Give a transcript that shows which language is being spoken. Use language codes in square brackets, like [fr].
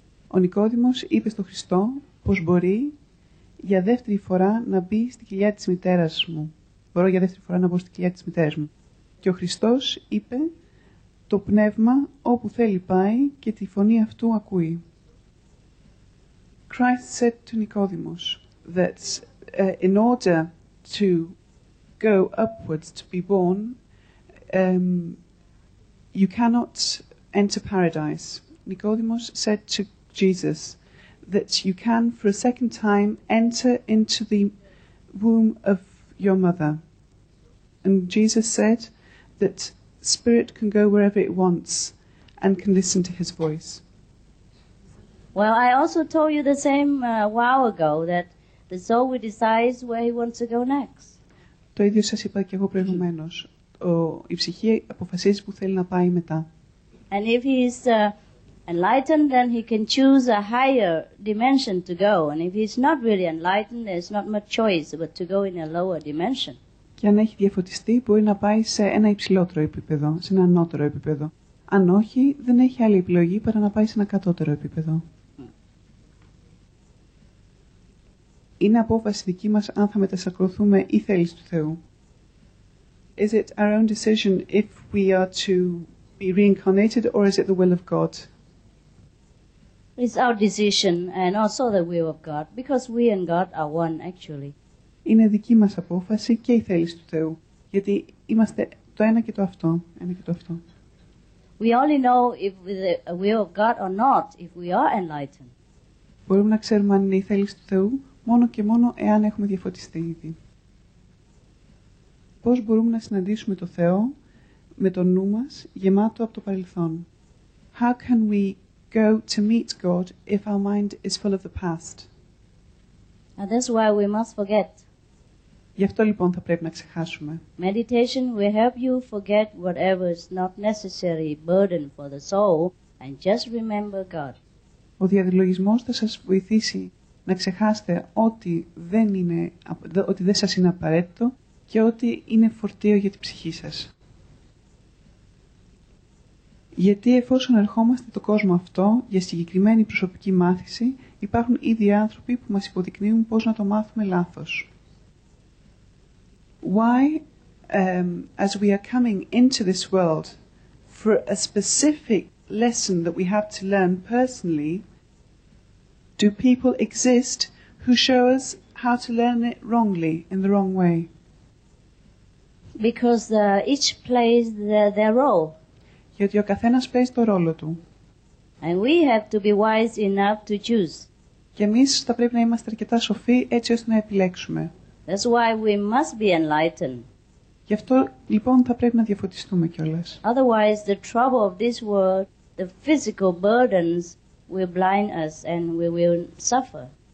[el] Ο Νικόδημος είπε στον Χριστό πως μπορεί για δεύτερη φορά να μπει στη κοιλιά της μητέρας μου. Μπορώ για δεύτερη φορά να μπω στη κοιλιά της μητέρας μου. Και ο Χριστός είπε, το πνεύμα όπου θέλει πάει και τη φωνή αυτού ακούει. [en] Christ said to Nicodemus that in order to go upwards to be born, you cannot enter paradise. Nicodemus said to Jesus that you can for a second time enter into the womb of your mother. And Jesus said that spirit can go wherever it wants and can listen to his voice. Well, I also told you the same while ago that the soul will decide where he wants to go next. [el] Το ίδιο σας είπα και εγώ προηγουμένως. Η ψυχή αποφασίζει που θέλει να πάει μετά. [en] And if he is enlightened, then he can choose a higher dimension to go. And if he's not really enlightened, there's not much choice but to go in a lower dimension. [el] Και αν έχει διαφωτιστεί, μπορεί να πάει σε ένα υψηλότερο επίπεδο, σε ένα ανώτερο επίπεδο. Αν όχι, δεν έχει άλλη επιλογή παρά να πάει σε ένα κατώτερο επίπεδο. Είναι απόφαση δική μας αν θα μετασαρκωθούμε ή θέλεις του Θεού. [en] Is it our own decision if we are to be reincarnated or is it the will of God? It's our decision and also the will of God because we and God are one actually. [el] Είναι δική μας απόφαση και η θέληση του Θεού. Γιατί είμαστε το ένα και το αυτό. Ένα και το αυτό. [en] We only know if the will of God or not, if we are enlightened. [el] Μπορούμε να ξέρουμε αν είναι η θέληση του Θεού μόνο και μόνο εάν έχουμε διαφωτιστεί ήδη. Πώς μπορούμε να συναντήσουμε το Θεό με το νου μας γεμάτο από το παρελθόν? [en] How can we go to meet God if our mind is full of the past? And that's why we must forget. [el] Γι' αυτό λοιπόν θα πρέπει να ξεχάσουμε. [en] Meditation will help you forget whatever is not necessary burden for the soul and just remember God. [el] Ο διαδηλογισμός θα σας βοηθήσει να ξεχάσετε ότι δεν σας είναι απαραίτητο και ότι είναι φορτίο για την ψυχή σας. Γιατί εφόσον ερχόμαστε το κόσμο αυτό για συγκεκριμένη προσωπική μάθηση, υπάρχουν ήδη άνθρωποι που μας υποδεικνύουν πώς να το μάθουμε λάθος. [en] Why, as we are coming into this world, for a specific lesson that we have to learn personally, do people exist who show us how to learn it wrongly, in the wrong way? Because each plays their role. [el] Γιατί ο καθένας παίζει το ρόλο του. [en] And we have to be wise enough to choose. [el] Και εμείς θα πρέπει να είμαστε αρκετά σοφοί έτσι ώστε να επιλέξουμε. [en] That's why we must be enlightened. [el] Γι' αυτό λοιπόν θα πρέπει να διαφωτιστούμε κιόλας. [en] Otherwise the trouble of this world, the physical burdens will blind us and we will suffer.